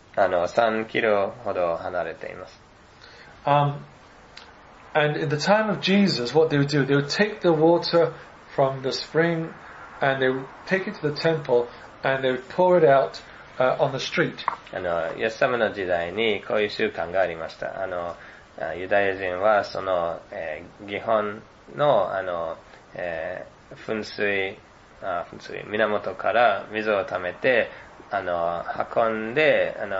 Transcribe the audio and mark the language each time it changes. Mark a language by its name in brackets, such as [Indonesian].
[Japanese] 3キロほど離れています。 [English] And in the time of Jesus, what they would do, they would take the water. From the spring, and they would take it to the temple, and they would pour it out, on the street. [Japanese] イエス様の時代にこういう習慣がありました。ユダヤ人はその、ギホンの、噴水、源から水を溜めて、運んで、